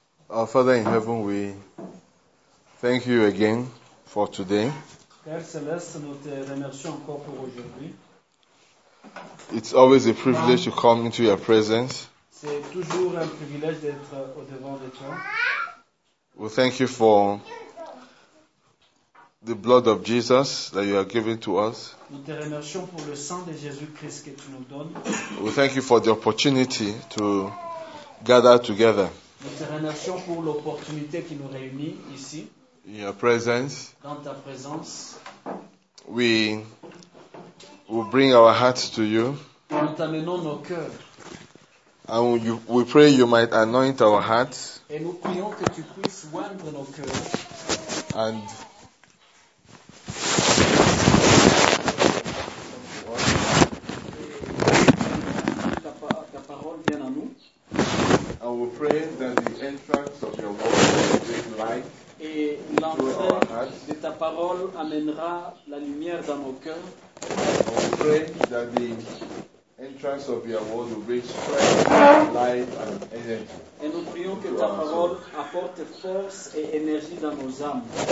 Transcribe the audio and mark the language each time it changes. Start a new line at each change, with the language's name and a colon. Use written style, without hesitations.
English: Our Father in heaven, we thank you again for today.
French: Père Céleste, nous te remercions encore pour aujourd'hui.
English: It's always a privilege to come into your presence.
French: C'est toujours un privilège d'être au devant de toi.
English: We thank you for the blood of Jesus that you have given to us.
French: Nous te remercions pour le sang de Jésus-Christ que tu nous donnes.
English: We thank you for the opportunity to gather together.
French: Nous te remercions pour l'opportunité qui nous réunit ici.
English: In your presence.
French: Dans ta présence.
English: We will bring our hearts to you.
French: Nous t'amenons nos cœurs.
English: And we pray you might anoint our hearts.
French: Et nous prions que tu puisses oindre nos cœurs.
English: And we pray that the entrance of your word will bring light into our hearts.
French: De ta parole amènera la lumière dans nos cœurs.
English: And we pray that the entrance of your word will bring strength, light, and energy.
French: Et nous prions que ta parole apporte force et énergie dans nos âmes.